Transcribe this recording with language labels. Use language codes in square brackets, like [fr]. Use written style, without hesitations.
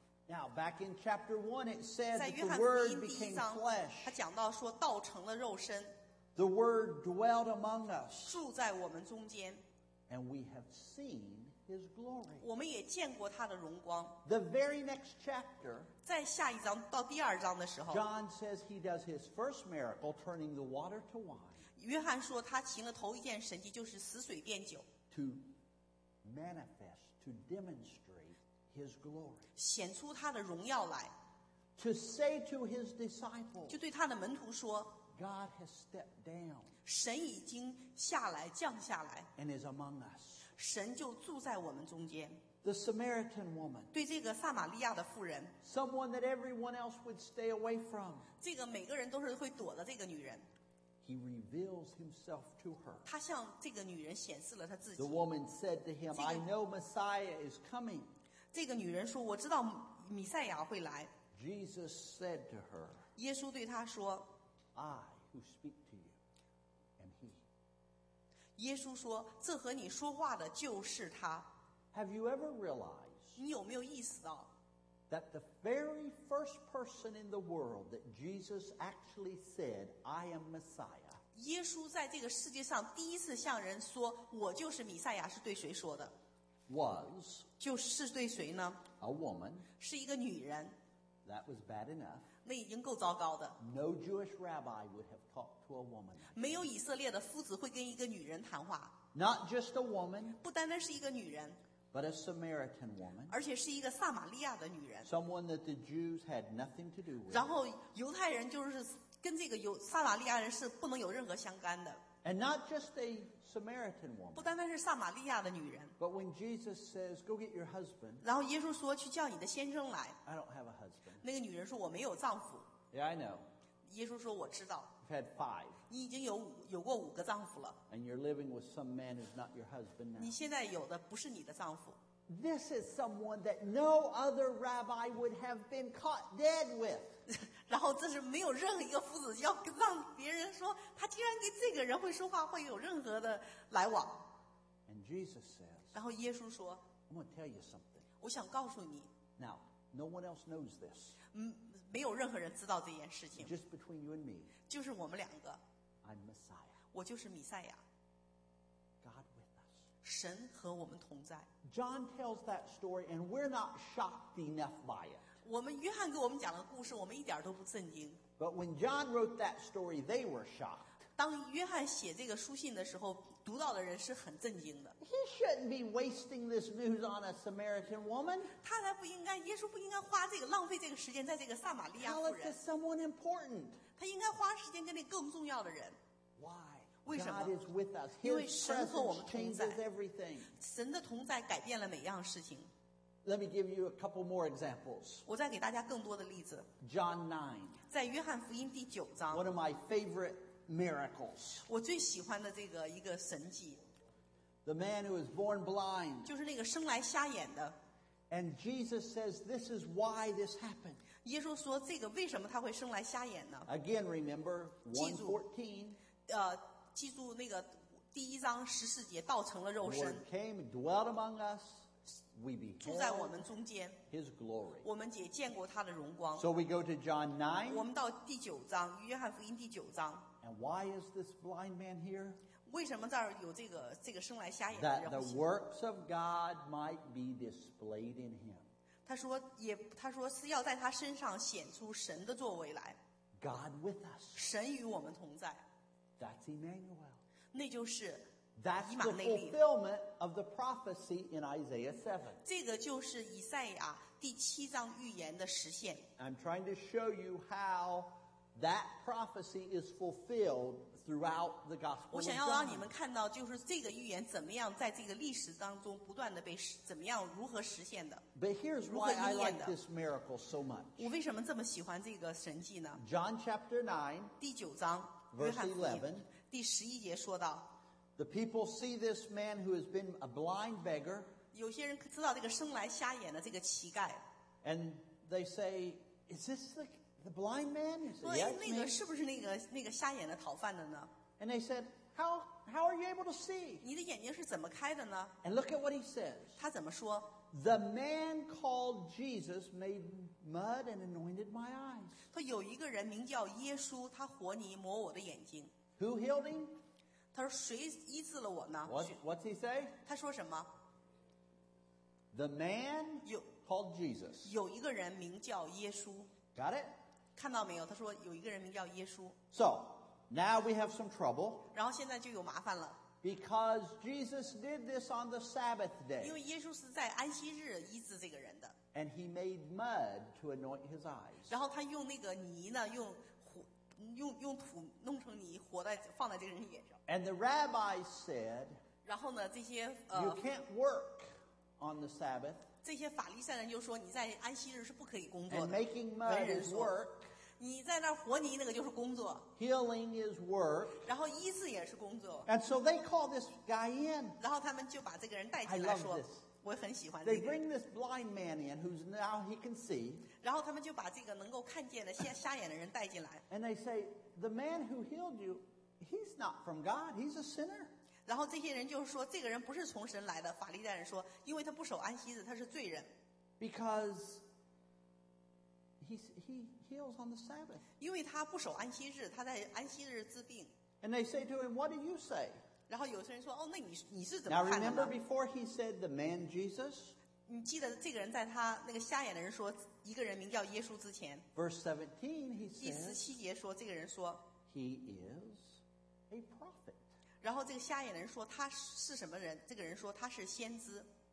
[en] Now, back in chapter 1, it said that the Word became flesh. [zh] 他讲到说，道成了肉身。 [en] The Word dwelt among us. [zh] 住在我们中间。 [en] And we have seen his glory. [zh] 我们也见过他的荣光。 [en] The very next chapter, [zh] 在下一章到第二章的时候， [en] John says he does his first miracle, turning the water to wine. [zh] 约翰说他行了头一件神迹，就是死水变酒。 [en] To manifest, to demonstrate his glory. [zh] 显出他的荣耀来。 [en] To say to his disciples, [zh] 就对他的门徒说， [en] God has stepped down. [zh] 神已经下来，降下来。 [en] And is among us. [zh] 神就住在我们中间。 [en] The Samaritan woman. [zh] 对这个撒玛利亚的妇人。 [en] Someone that everyone else would stay away from. [zh] 这个每个人都是会躲的这个女人。 [en] He reveals himself to her. [zh] 他向这个女人显示了他自己。 [en] The woman said to him, I know Messiah is coming. [zh] 这个女人说，我知道弥赛亚会来。 [en] Jesus said to her. [zh] 耶稣对她说， [en] I who speak to you am he. [zh] 耶稣说，这和你说话的就是他。 [en] Have you ever realized? [zh] 你有没有意识到？ [en] That the very first person in the world that Jesus actually said, I am Messiah. [zh] 耶稣在这个世界上第一次向人说，我就是弥赛亚，是对谁说的？ [en] Was. [zh] 就是对谁呢？ [en] A woman. [zh] 是一个女人。 [en] That was bad enough. [zh] 那已经够糟糕的。 [en] No Jewish rabbi would have talked to a woman. [zh] 没有以色列的夫子会跟一个女人谈话。 [en] Not just a woman. [zh] 不单单是一个女人。 [en] But a Samaritan woman. [zh] 而且是一个撒玛利亚的女人。 [en] Someone that the Jews had nothing to do with. [zh] 然后犹太人就是跟这个撒玛利亚人是不能有任何相干的。 [en] And not just a Samaritan woman. [zh] 不单单是撒玛利亚的女人。 [en] But when Jesus says, go get your husband. [zh] 然后耶稣说，去叫你的先生来。 [en] I don't have a husband. [zh] 那个女人说，我没有丈夫。 [en] Yeah, I know. [zh] 耶稣说，我知道。 [en] You've had five. [zh] 你已经有过五个丈夫了。 [en] And you're living with some man who's not your husband now. [zh] 你现在有的不是你的丈夫。 [en] This is someone that no other rabbi would have been caught dead with. [zh] 然后这是没有任何一个夫子要让别人说，他竟然跟这个人会说话，会有任何的来往。 [en] And Jesus says. [zh] 然后耶稣说， [en] I'm going to tell you something. [zh] 我想告诉你。 [en] Now, no one else knows this. [zh] 没有任何人知道这件事情。 [en] Just between you and me. [zh] 就是我们两个。 [en] I'm Messiah. [zh] 我就是弥赛亚。 [en] God with me. [zh] 神和我们同在。 [en] John tells that story, and we're not shocked enough by it. [zh] 我们约翰给我们讲的故事，我们一点都不震惊。 [en] But when John wrote that story, they were shocked. [zh] 当约翰写这个书信的时候，读到的人是很震惊的。 [en] He shouldn't be wasting this news on a Samaritan woman. [zh] 他才不应该，耶稣不应该花这个浪费这个时间在这个撒玛利亚妇人。 [en] Tell it to someone important. [zh] 他应该花时间跟那更重要的人。 [en] Why? [zh] 为什么？ [en] God is with us. His presence changes everything. [zh] 神的同在改变了每样事情。 [en] Let me give you a couple more examples. [zh] 我再给大家更多的例子。 [en] John 9. [zh] 在约翰福音第九章。 [en] One of my favorite miracles. [zh] 我最喜欢的这个一个神迹。 [en] The man who was born blind. [zh] 就是那个生来瞎眼的。 [en] And Jesus says, "This is why this happened." [zh] 耶稣说，这个为什么他会生来瞎眼呢？ [en] Again, remember 1:14. [zh] 记住那个第一章十四节，道成了肉身。 [en] Lord came and dwelt among us. We beheld. [zh] 住在我们中间。 [en] His glory. [zh] 我们也见过他的荣光。 [en] So we go to John 9. [zh] 我们到第九章，约翰福音第九章。 [en] And why is this blind man here? [zh] 为什么这儿有这个生来瞎眼的人？ [en] That the works of God might be displayed in him. [zh] 他说是要在他身上显出神的作为来。 [en] God with us. [zh] 神与我们同在。 [en] That's Emmanuel. [zh] 那就是以马内利。 [en] That's the fulfillment of the prophecy in Isaiah 7. [zh] 这个就是以赛亚第七章预言的实现。 [en] I'm trying to show you how That prophecy is fulfilled throughout the Gospel of John. [zh] 我想要让你们看到，就是这个预言怎么样在这个历史当中不断的被怎么样如何实现的。 [en] But here's why I like this miracle so much. [zh] 我为什么这么喜欢这个神迹呢 [en] ？John chapter 9, [zh] 第九章 [en] ，verse 11, [zh] 第十一节说到 [en] ，The people see this man who has been a blind beggar. [zh] 有些人知道这个生来瞎眼的这个乞丐 [en] ，and they say, "Is this the?" The blind man is the blind man. And they said, how are you able to see? [zh] 你的眼睛是怎么开的呢? [en] And look at what he says. [zh] 他怎么说? [en] The man called Jesus made mud and anointed my eyes. [zh] 他有一个人名叫耶稣,他和泥抹我的眼睛。 [en] Who healed him? [zh] 他说谁医治了我呢? [en] What's he say? [zh] 他说什么? [en] The man called Jesus. [zh] 有一个人名叫耶稣。 [en] Got it? [zh] 看到没有？他说有一个人名叫耶稣。 [en] So, now we have some trouble. [zh] 然后现在就有麻烦了。 [en] Because Jesus did this on the Sabbath day. [zh] 因为耶稣是在安息日医治这个人的。 [en] And he made mud to anoint his eyes. [zh] 然后他用那个泥呢，用土弄成泥，放在这个人眼上。 [en] And the rabbis said. [zh] 然后呢，这些 [en] You can't work on the Sabbath. [zh] 这些法利赛人就说你在安息日是不可以工作的。 [en] And making mud is work. [zh] 你在那儿和泥那个就是工作。 [en] Healing is work. [zh] 然后医治也是工作。 [en] And so they call this guy in. [zh] 然后他们就把这个人带进来说。我很喜欢这个。 [en] They bring this blind man in who's now he can see. [zh] 然后他们就把这个能够看见的瞎眼的人带进来。 [en] And they say, the man who healed you, he's not from God, he's a sinner. [zh] 然后这些人就是说，这个人不是从神来的。法利赛人说，因为他不守安息日，他是罪人。 [en] Because he heals on the Sabbath. [zh] 因为他不守安息日，他在安息日治病。 [en] And they say to him, "What do you say?" [zh] 然后有些人说，哦，那你是怎么看的？ [en] Now remember before he said the man Jesus. [zh] 你记得这个人在他那个瞎眼的人说一个人名叫耶稣之前。 [en] Verse 17, he said. [zh] 第十七节说，这个人说 [en] ，He is a prophet. [zh] 然后这个瞎眼人说他是什么人？这个人说他是先知。